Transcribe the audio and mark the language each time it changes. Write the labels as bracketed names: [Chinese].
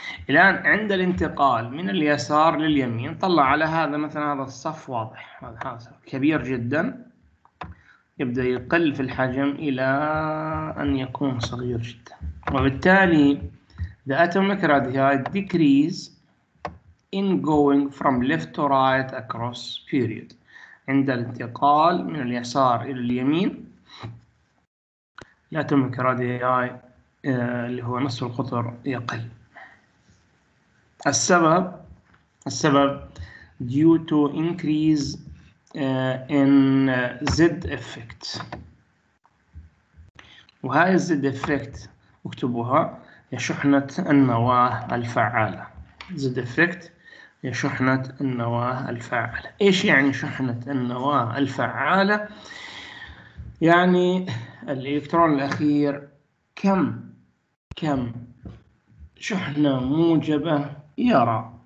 [Arabic] الآن عند الانتقال من اليسار لليمين طلع على هذا، مثلا هذا الصف واضح، هذا صف كبير جدا، يبدأ يقل في الحجم إلى أن يكون صغير جدا، وبالتالي [English] the atomic radii decrease in going from left to right across period، [Arabic] عند الانتقال من اليسار إلى اليمين [English] the atomic radii [Arabic] اللي هو نصف القطر يقل. السبب [English] due to increase in Z effect، [Arabic] وهاي Z effect اكتبوها هي شحنة النواة الفعالة. Z effect هي شحنة النواة الفعالة. ايش يعني شحنة النواة الفعالة؟ يعني الإلكترون الأخير كم شحنة موجبة يرى.